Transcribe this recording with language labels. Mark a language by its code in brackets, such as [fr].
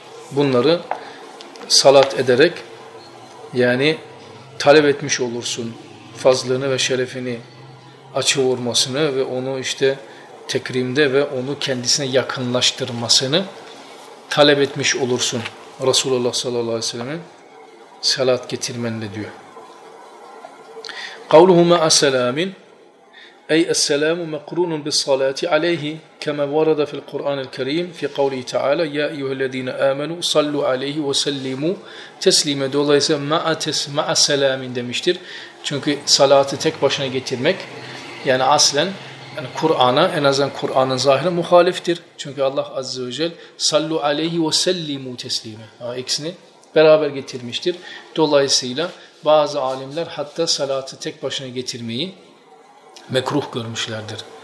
[tr] Bunları salat ederek yani talep etmiş olursun fazlını ve şerefini açı vurmasını ve onu işte tekrimde ve onu kendisine yakınlaştırmasını talep etmiş olursun Resulullah sallallahu aleyhi ve sellem'in salat getirmenle diyor. [ar] قوله مع السلام أي السلام مقرون بالصلاة عليه كما ورد في القرآن الكريم في قوله تعالى يا أيها الذين آمنوا صلوا عليه وسلموا تسليما دولايسا مع السلام demiştir. [tr] Çünkü salatı tek başına getirmek yani aslen yani Kur'an'a en azından Kur'an'ın zahiri muhaliftir. Çünkü Allah Azze ve Celle [ar] sallu aleyhi ve sellimu teslima. [tr] İkisini beraber getirmiştir. Dolayısıyla bazı alimler hatta salatı tek başına getirmeyi mekruh görmüşlerdir.